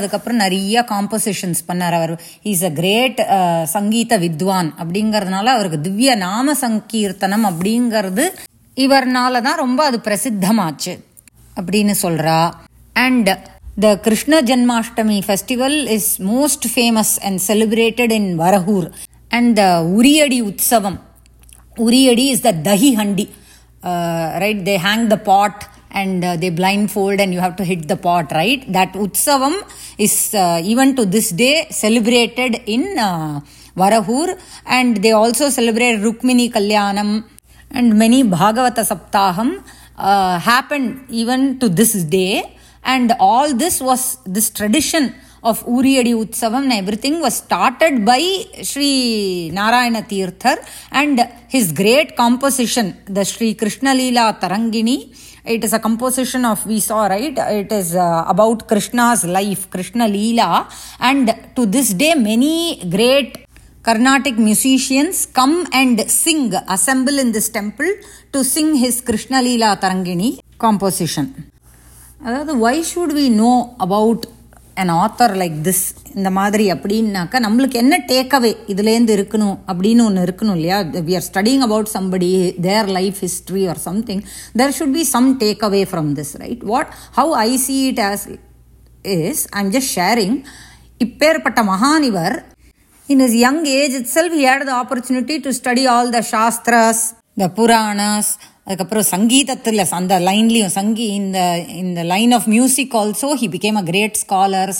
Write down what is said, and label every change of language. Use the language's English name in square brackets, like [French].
[Tamil] அதுக்கப்புறம் நிறைய காம்போசிஷன்ஸ் பண்ணார் அவர். [English] he's a great [Tamil] சங்கீத வித்வான் அப்படிங்கிறதுனால அவருக்கு திவ்ய நாம சங்கீர்த்தனம் அப்படிங்கிறது இவர்னால தான் ரொம்ப அது பிரசித்தமாச்சு அப்படின்னு சொல்கிறா. [English] And the Krishna Janmashtami festival is most famous and celebrated in Varagur. And the உரியடி உற்சவம், உரியடி is the dahi handi, right? They hang the pot and they blindfold and you have to hit the pot, right? That utsavam is even to this day celebrated in Varahur, and they also celebrate Rukmini Kalyanam and many Bhagavata Saptaham happened even to this day. And all this was, this tradition of Uriyadi Utsavam and everything was started by Sri Narayana Teerthar and his great composition, the Sri Krishnaleela Tarangini. It is a composition of, we saw, right? It is about Krishna's life, Krishna Leela. And to this day, many great Carnatic musicians come and sing, assemble in this temple to sing his Krishna Leela Tarangini composition. Why should we know about an author like this? [Tamil] இந்த மாதிரி அப்படின்னாக்கா நம்மளுக்கு என்ன takeaway இதுலேருந்து இருக்கணும் அப்படின்னு ஒன்று இருக்கணும் இல்லையா? [English] We are studying about somebody, their life history or something, there should be some takeaway from this, right? What, how I see it as is I am just sharing. [Tamil] இப்பேற்பட்ட மகானிவர் [English] in his young age itself he had the opportunity to study all the shastras, the puranas, [Tamil] அதுக்கப்புறம் சங்கீதத்தில் அந்த லைன்லேயும் [English] இந்த line of music also he became a great scholar.